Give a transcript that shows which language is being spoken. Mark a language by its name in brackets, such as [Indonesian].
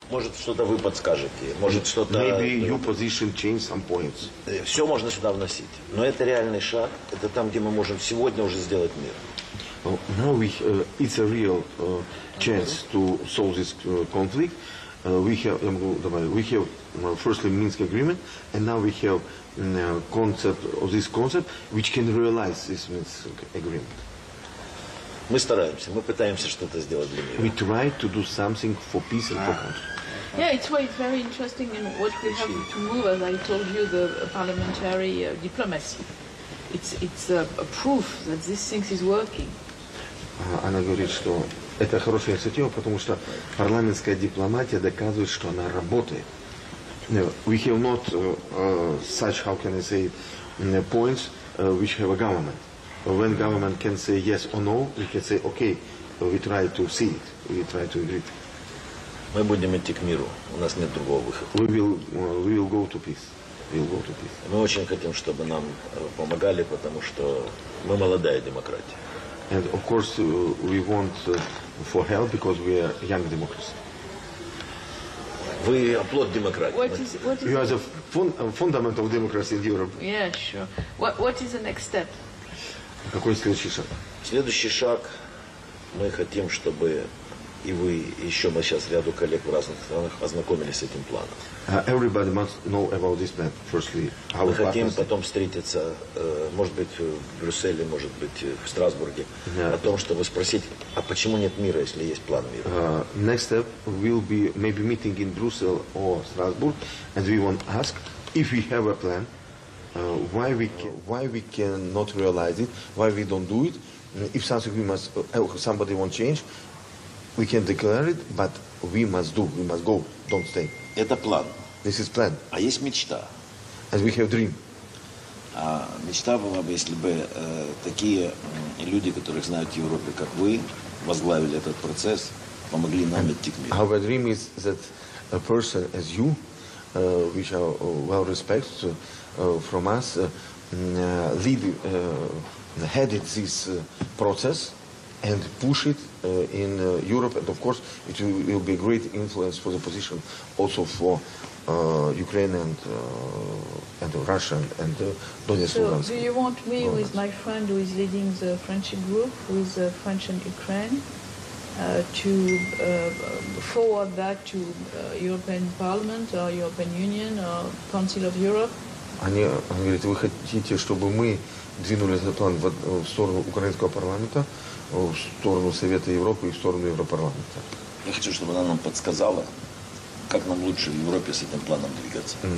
[Russian] Может, что-то вы подскажете. Может, что-то... [English] Maybe your position changed some points. [Russian] Все можно сюда вносить. Но это реальный шаг. Это там, где мы можем сегодня уже сделать мир. [English] Well, now we, it's a real chance to solve this conflict. We have firstly Minsk agreement, and now we have concept of this concept which can realize this Minsk agreement. [Russian] Мы стараемся, мы пытаемся что-то сделать для мира. [English] We try to do something for peace and for country. Yeah, it's why it's very interesting in what we have to move, as I told you, the parliamentary diplomacy. It's a proof that this thing is working. [Russian] Она говорит, что это хорошая инициатива, потому что парламентская дипломатия доказывает, что она работает. [English] We have not such, how can I say, points which have a government. When government can say yes or no, we can say, okay, we try to see it, we try to agree. [Russian] Мы будем идти к миру, у нас нет другого выхода. [English] We will go to peace. We'll go to peace. [Russian] Мы очень хотим, чтобы нам помогали, потому что мы молодая демократия. [English] And of course we want for help because we are young democracy. [Russian] Вы оплот демократии. [English] You are the fundament of democracy in Europe. Yeah, sure. What is the next step? [Russian] Какой следующий шаг? Следующий шаг, мы хотим, чтобы и вы, и еще мы сейчас ряду коллег в разных странах ознакомились с этим планом. [English] Everybody must know about this plan. Firstly, [Russian] мы хотим потом встретиться, может быть, в Брюсселе, может быть, в Страсбурге, о том, чтобы спросить, а почему нет мира, если есть план мира? [English] Next step will be maybe meeting in Brussels or Strasbourg, and we want to ask if we have a plan. Why we cannot realize it? Why we don't do it? If something we must, somebody wants change, we can declare it, but we must do. We must go. Don't stay. [Russian] Это план. [English] This is plan. [Russian] А есть мечта. [English] And we have dream. [Russian] А мечта была бы, если бы такие люди, которых знают в Европе, как вы, возглавили этот процесс, помогли нам идти к миру. [English] Our dream is that a person as you, which are well respected. From us, headed this process and push it in Europe, and of course it will be a great influence for the position also for Ukraine and Russia and Donetsk. So do you want me with my friend who is leading the friendship group with French and Ukraine to forward that to European Parliament or European Union or Council of Europe? [Russian] Они говорят, вы хотите, чтобы мы двинули этот план в сторону украинского парламента, в сторону Совета Европы и в сторону Европарламента? Я хочу, чтобы она нам подсказала, как нам лучше в Европе с этим планом двигаться.